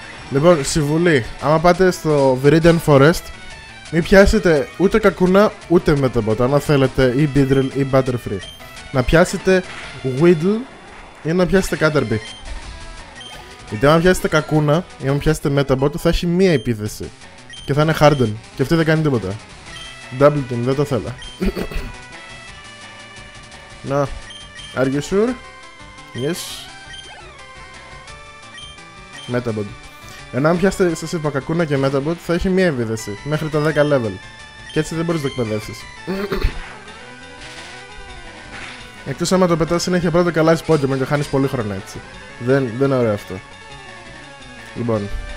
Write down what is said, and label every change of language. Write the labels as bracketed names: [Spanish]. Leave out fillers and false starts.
[Greek] Λοιπόν, συμβουλή, άμα πάτε στο Viridian Forest, μην πιάσετε ούτε κακούνα ούτε με τα μπότα, άμα θέλετε ή Beedrill ή Butterfree. Να πιάσετε Weedle ή να πιάσετε Caterpie. Γιατί αν πιάσετε κακούνα ή αν πιάσετε Metabot θα έχει μία επίθεση και θα είναι Harden και αυτή δεν κάνει τίποτα. Double team, δεν το θέλω. [English] Να, are you sure? Yes. [Greek] Metabot. Ενώ αν πιάσετε, σας είπα, κακούνα και Metabot θα έχει μία επίθεση μέχρι τα 10 level. Και έτσι δεν μπορείς να το εκπαιδεύσεις. Εκτός άμα το πετάς συνέχεια πρώτα καλά εις Pokemon και χάνεις πολύ χρόνο έτσι. Δεν είναι ωραίο αυτό. Λοιπόν.